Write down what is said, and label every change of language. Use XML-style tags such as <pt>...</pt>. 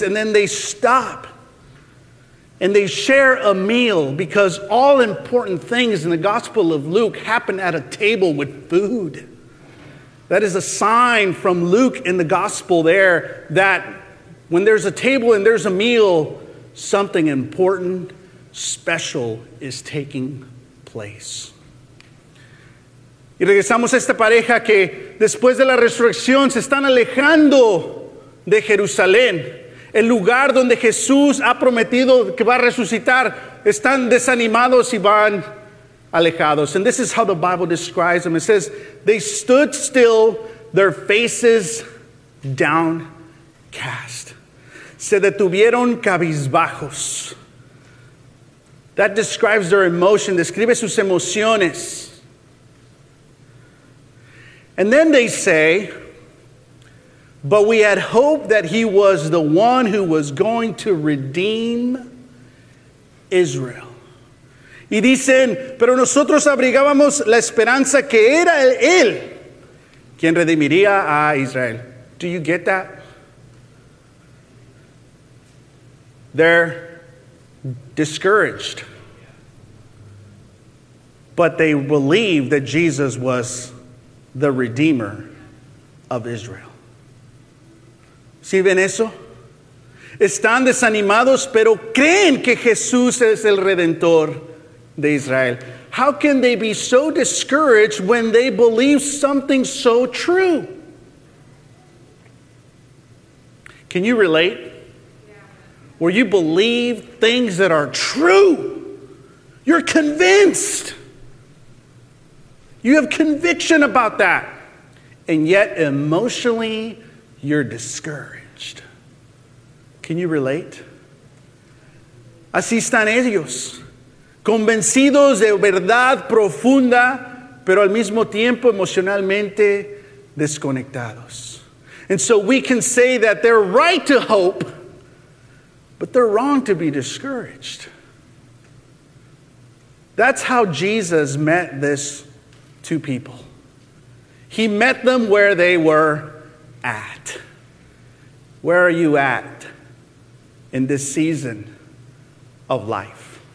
<en>And then they stop. And they share a meal, because all important things in the Gospel of Luke happen at a table with food. That is a sign from Luke in the Gospel there that when there's a table and there's a meal, something important, special is taking place.</en> <es>Y regresamos a esta pareja que después de la resurrección se están alejando de Jerusalén, el lugar donde Jesús ha prometido que va a resucitar. Están desanimados y van alejados.</es> <en>And this is how the Bible describes them. It says, they stood still, their faces downcast.</en> <es>Se detuvieron cabizbajos.</es> <en>That describes their emotion.</en> <es>Describe sus emociones.</es> <en>And then they say, but we had hoped that he was the one who was going to redeem Israel.</en> <es>Y dicen, pero nosotros abrigábamos la esperanza que era él quien redimiría a Israel.</es> <en>Do you get that? They're discouraged. But they believe that Jesus was the Redeemer of Israel.</en> <es>¿Sí ven eso? Están desanimados, pero creen que Jesús es el Redentor de Israel.</es> <en>How can they be so discouraged when they believe something so true? Can you relate? Where you believe things that are true. You're convinced. You have conviction about that. And yet emotionally, you're discouraged. Can you relate?</en> <es>Así están ellos. Convencidos de verdad profunda, pero al mismo tiempo emocionalmente desconectados.</es> <en>And so we can say that they're right to hope, but they're wrong to be discouraged. That's how Jesus met these two people. He met them where they were at. Where are you at in this season of life?</en>